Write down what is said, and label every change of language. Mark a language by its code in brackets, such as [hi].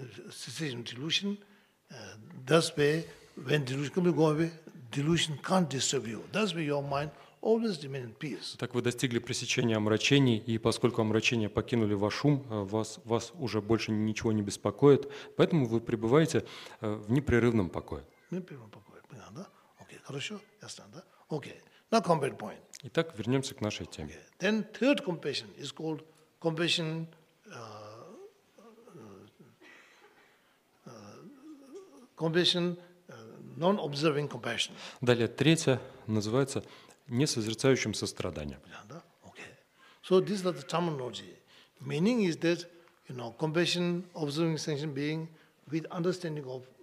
[en] Cessation of delusion, thus way, when delusion comes, go away. Delusion can't disturb you. That's why your mind always remains in peace. [ru] Так вы достигли пресечения омрачений, и поскольку омрачения покинули ваш ум, вас уже больше ничего не беспокоит, поэтому вы пребываете в непрерывном покое. Непрерывном покое, понятно, да? Окей, хорошо, ясно, да? Окей. [en] Now compared point. [ru] Итак, вернемся к нашей теме. [en] Okay. Then third compassion is called compassion compassion. Non-observing compassion. [ru] Далее третья называется несозерцающим состраданием. [en] Да? Okay. So this is the terminology. Meaning is that, compassion, observing sentient being, with understanding of,